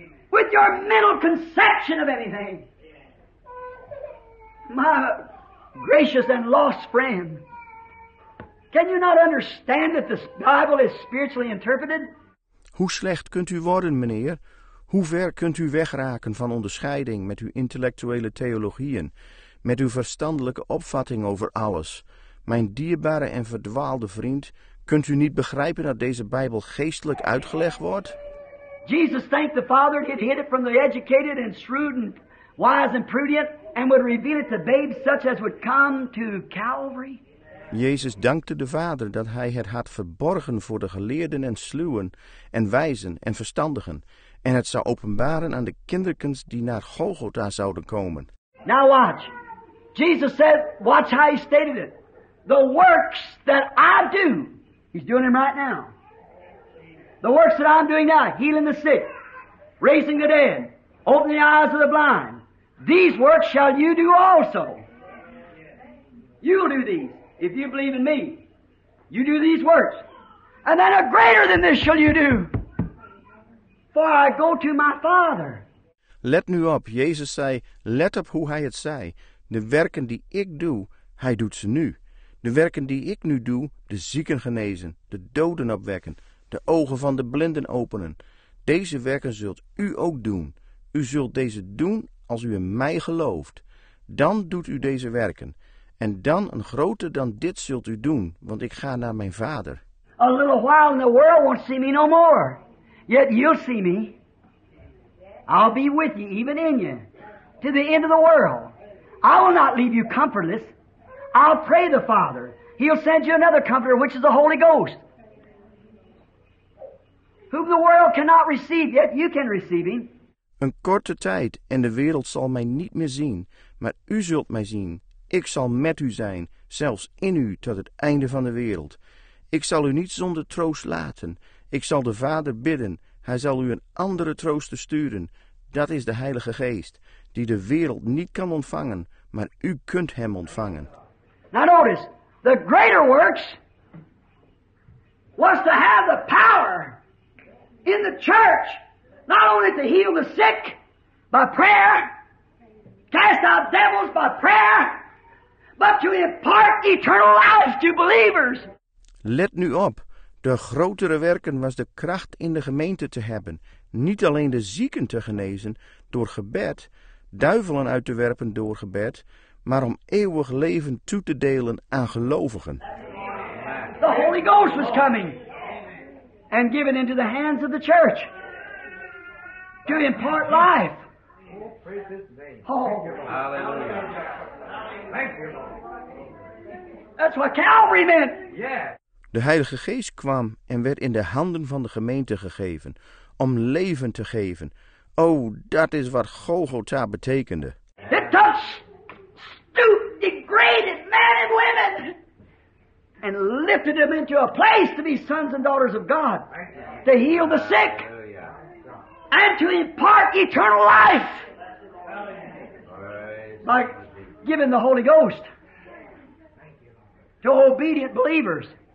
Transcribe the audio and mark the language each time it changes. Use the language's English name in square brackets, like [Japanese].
[English] With your mental conception of anything? My gracious and lost friend, can you not understand that the Bible is spiritually interpreted? [Dutch] Hoe slecht kunt u worden, meneer? Hoe ver kunt u wegraken van onderscheiding met uw intellectuele theologieën, met uw verstandelijke opvatting over alles? Mijn dierbare en verdwaalde vriend, kunt u niet begrijpen dat deze Bijbel geestelijk uitgelegd wordt? [English] Jesus thanked the Father that he had hid it from the educated and shrewd and wise and prudent and would reveal it to babes such as would come to Calvary. [Dutch] Jezus dankte de Vader dat hij het had verborgen voor de geleerden en sluwen en wijzen en verstandigen en het zou openbaren aan de kinderkens die naar Golgotha zouden komen. [English] Now watch. Jesus said, watch how he stated it. The works that I do, he's doing them right now. The works that I'm doing now, healing the sick, raising the dead, opening the eyes of the blind, these works shall you do also. You'll do these if you believe in me. You do these works. And then a greater than this shall you do. For I go to my Father. [Dutch] Let nu op, Jezus zei, let op hoe hij het zei. De werken die ik doe, hij doet ze nu. De werken die ik nu doe, de zieken genezen, de doden opwekken, de ogen van de blinden openen. Deze werken zult u ook doen. U zult deze doen als u in mij gelooft. Dan doet u deze werken. En dan een groter dan dit zult u doen, want ik ga naar mijn Vader. [English] A little while and the world won't see me no more. Yet you'll see me. I'll be with you, even in you, to the end of the world. I will not leave you comfortless. I'll pray the Father. He'll send you another comforter, which is the Holy Ghost. Whom the world cannot receive, yet you can receive him. [Dutch] Een korte tijd en de wereld zal mij niet meer zien, maar u zult mij zien. Ik zal met u zijn, zelfs in u, tot het einde van de wereld. Ik zal u niet zonder troost laten. Ik zal de Vader bidden. Hij zal u een andere trooster sturen. Dat is de Heilige Geest, die de wereld niet kan ontvangen, maar u kunt hem ontvangen. [English] Now notice, the greater works was to have the power in the church, not only to heal the sick by prayer, cast out devils by prayer, but to impart eternal life to believers. [Dutch] Let nu op, de grotere werken was de kracht in de gemeente te hebben, niet alleen de zieken te genezen door gebed, duivelen uit te werpen door gebed, maar om eeuwig leven toe te delen aan gelovigen. [English] The Holy Ghost was coming and given into the hands of the church to impart life. Oh, hallelujah. Thank you, Lord. That's what Calvary meant. Yeah. [Dutch] De Heilige Geest kwam en werd in de handen van de gemeente gegeven om leven te geven. Oh, dat is wat Golgotha betekende. [English] It touched stoop degraded men and women and lifted them into a place to be sons and daughters of God, to heal the sick and to impart eternal life by giving the Holy Ghost to obedient believers.